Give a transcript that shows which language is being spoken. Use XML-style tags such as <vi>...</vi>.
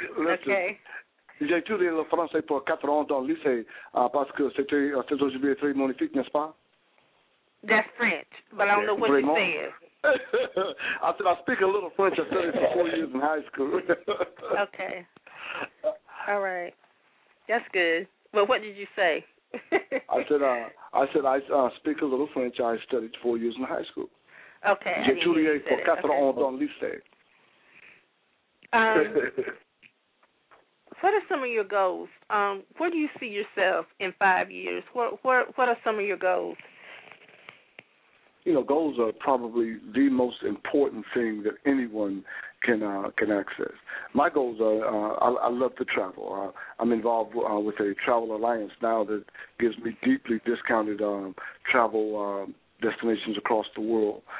<fr>Okay. Le français pour quatre ans dans le lycée parce que c'était aujourd'hui très magnifique, n'est-ce pas?</fr> <en>That's French, but I don't know what you said. I said I speak a little French. I studied for 4 years in high school. Okay. All right. That's good. Well, what did you say? I said I speak a little French. I studied 4 years in high school. Okay.</en> <fr>J'ai étudié pour quatre ans dans le lycée.</fr> <en>What are some of your goals? Where do you see yourself in 5 years? What are some of your goals? You know, goals are probably the most important thing that anyone can access. My goals are, I love to travel. I'm involved with a travel alliance now that gives me deeply discounted travel destinations across the world.</en>